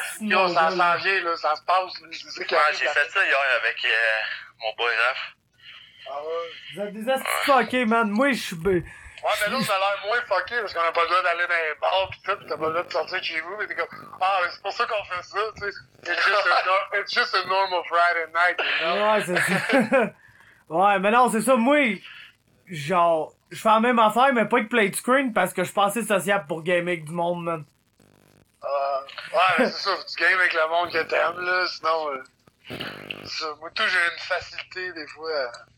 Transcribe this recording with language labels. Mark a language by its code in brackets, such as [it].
[fr] Yo, ça a changé, là, ça se passe. Ouais, j'ai fait ça hier avec mon boy Raph. Vous êtes des astuces fuckés, man. Moi, je suis... Ouais, mais là, ça a l'air moins fucké parce qu'on a pas le droit d'aller dans les bars pis tout, pis t'as pas le droit de sortir chez vous, mais t'es comme, ah, mais c'est pour ça qu'on fait ça, tu sais. [en] It's just a normal Friday night, you know? [fr] Ouais, c'est ça. Ouais, mais non, c'est ça, moi, genre, je fais la même affaire, mais pas avec plate screen parce que je suis pas assez sociable pour gamer avec du monde, man. Ouais, mais c'est ça, tu games avec le monde que t'aimes, là, sinon, ça, moi, tout, j'ai une facilité, des fois, à...